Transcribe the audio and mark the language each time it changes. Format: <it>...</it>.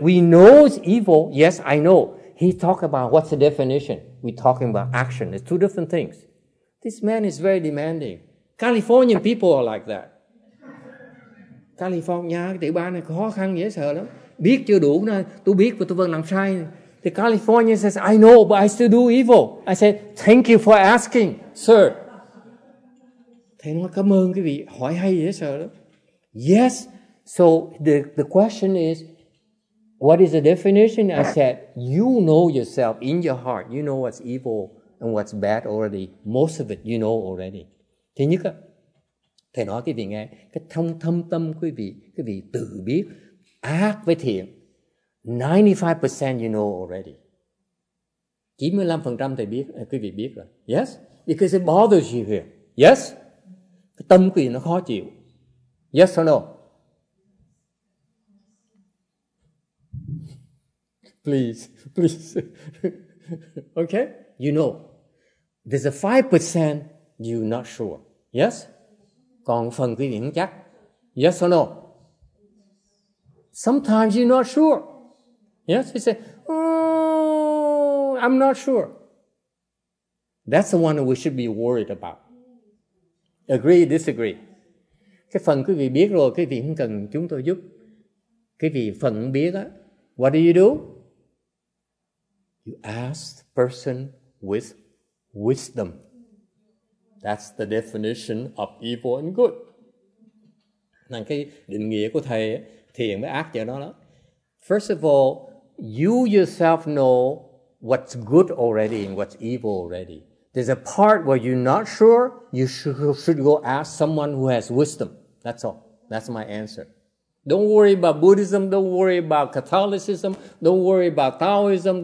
<en>We know it's evil. Yes, I know. He talked about what's the definition. We're talking about action. It's two different things. This man is very demanding. Californian people are like that.</en> <vi>California, địa bàn này khó khăn dễ sợ lắm. Biết chưa đủ nữa. Tôi biết và tôi vẫn làm sai.</vi> <en>The California says, I know, but I still do evil. I said, thank you for asking, sir.</en> <vi>Thầy nói cảm ơn quý vị, hỏi hay dễ sợ lắm.</vi> <en>Yes, so the question is, what is the definition? I said, you know yourself in your heart. You know what's evil and what's bad already. Most of it you know already.</en> <vi>Thứ nhất, thầy nói quý vị nghe, cái thông thâm tâm quý vị tự biết ác với thiện.</vi> <en>95% you know already.</en> <vi>95% thầy biết, quý vị biết rồi.</vi> <en>Yes, because it bothers you here. Yes.</en> <vi>Cái tâm quý vị nó khó chịu.</vi> <en>Yes or no? Please, please. Okay? You know. There's a 5% you're not sure. Yes?</en> <vi>Còn phần quý vị không chắc.</vi> <en>Yes or no? Sometimes you're not sure. Yes? You say, oh, I'm not sure. That's the one we should be worried about. Agree, disagree.</en> <vi>Cái phần quý vị biết rồi, quý vị không cần chúng tôi giúp. Quý vị phần biết á.</vi> <en>What do you do? You ask the person with wisdom. That's the definition of evil and good.</en> <vi>Nên cái định nghĩa của thầy á, thiện với ác cho nó đó.</vi> <en>First of all, you yourself know what's good already and what's evil already. There's a part where you're not sure, you should go ask someone who has wisdom. That's all. That's my answer. Don't worry about Buddhism. Don't worry about Catholicism. Don't worry about Taoism.</en>